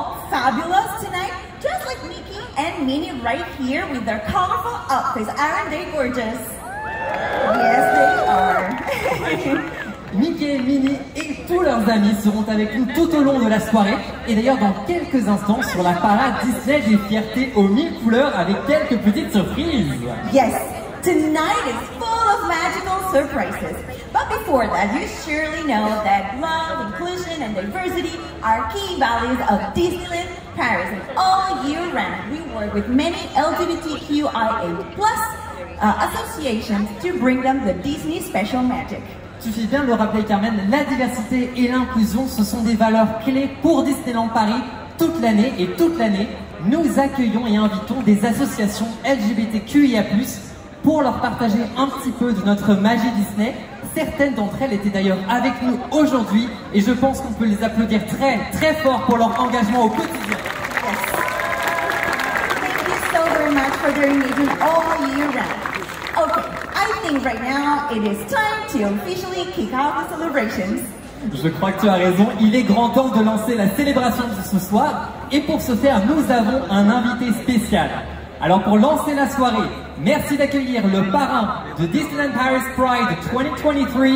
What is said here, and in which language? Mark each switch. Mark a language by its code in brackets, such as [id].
[en] Fabulous tonight, just like Mickey and Minnie right here with their colorful outfits. Aren't they gorgeous? Yes, they are. [fr] Mickey, Minnie et tous leurs amis seront avec nous tout au long de la soirée et d'ailleurs dans quelques instants sur la parade Disney des fiertés aux mille couleurs avec quelques petites surprises. [en] Yes, tonight is full of magical surprises. But before that, you surely know that love, inclusion, and diversity are key values of Disneyland Paris. And all year round, we work with many LGBTQIA+ associations to bring them the Disney special magic. [fr] Suffit bien de le rappeler, Carmen, la diversité et l'inclusion, ce sont des valeurs clés pour Disneyland Paris toute l'année. Et toute l'année, nous accueillons et invitons des associations LGBTQIA+ pour leur partager un petit peu de notre magie Disney. Certaines d'entre elles étaient d'ailleurs avec nous aujourd'hui et je pense qu'on peut les applaudir très, très fort pour leur engagement au quotidien. [en] Yes. Thank you so very much for their meeting all year round. Okay, I think right now it is time to officially kick off the celebrations. [fr] Je crois que tu as raison, il est grand temps de lancer la célébration de ce soir et pour ce faire, nous avons un invité spécial. Alors pour lancer la soirée, merci d'accueillir le parrain de Disneyland Paris Pride 2023.